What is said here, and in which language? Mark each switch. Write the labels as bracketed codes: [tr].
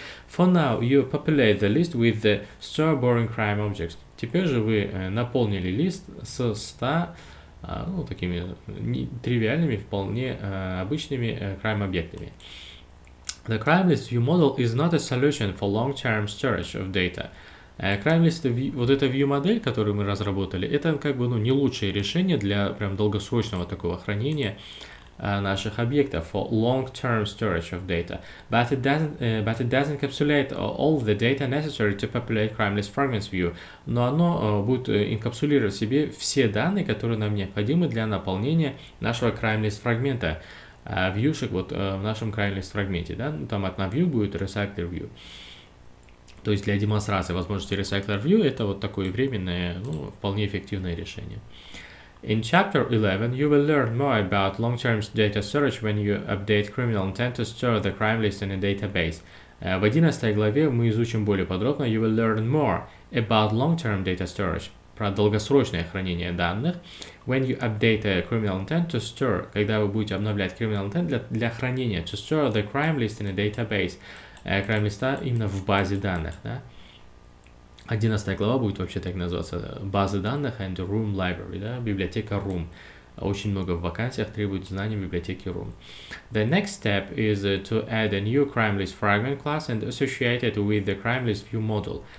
[en] For now you populate the list with the store boring crime objects. [ru] Теперь же вы наполнили лист со 100 ну, такими тривиальными, вполне обычными crime объектами. [en] The crime list view model is not a solution for long-term storage of data. [ru] Crime list, вот эта view модель, которую мы разработали, это как бы ну, не лучшее решение для прям долгосрочного такого хранения наших объектов [en] for long-term storage of data. But it doesn't encapsulate all the data necessary to populate crime list fragments view. [ru] Но оно будет инкапсулировать в себе все данные, которые нам необходимы для наполнения нашего crime list фрагмента. Вьюшек вот в нашем crime list фрагменте, да, ну, там одна view будет recycler view. То есть для демонстрации возможности recycler view это вот такое временное, ну, вполне эффективное решение. [en] In chapter 11 you will learn more about long-term data storage when you update criminal intent to store the crime list in a database. [ru] В 11 главе мы изучим более подробно [en] you will learn more about long-term data storage. [ru] Про долгосрочное хранение данных. [en] When you update a criminal intent to store, [ru] когда вы будете обновлять criminal intent для хранения, [en] to store the crime list in a database, crime list [ru] именно в базе данных, да? 11 глава будет вообще так называться, база данных [en] and room library, [ru] да, библиотека room. Очень много в вакансиях требует знаний библиотеки room. [en] The next step is to add a new crime list fragment class and associate it with the crime list view model.